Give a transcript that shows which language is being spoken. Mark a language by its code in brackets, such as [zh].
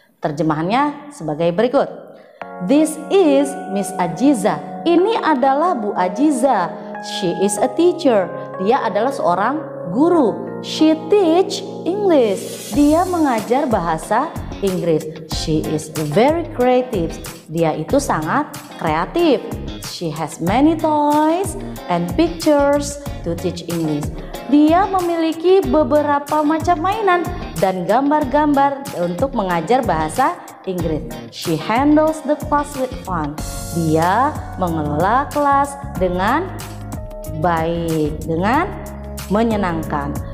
[id] Terjemahannya sebagai berikut. [en] This is Miss Ajiza. [id] Ini adalah Bu Ajiza. [en] She is a teacher. [id] Dia adalah seorang guru. [en] She teach English. [id] Dia mengajar bahasa Inggris. [en] She is very creative. [id] Dia itu sangat kreatif. [en] She has many toys and pictures to teach English. [id] Dia memiliki beberapa macam mainan dan gambar-gambar untuk mengajar bahasa Inggris. [en] She handles the class with fun. [id] Dia mengelola kelas dengan baik, dengan menyenangkan.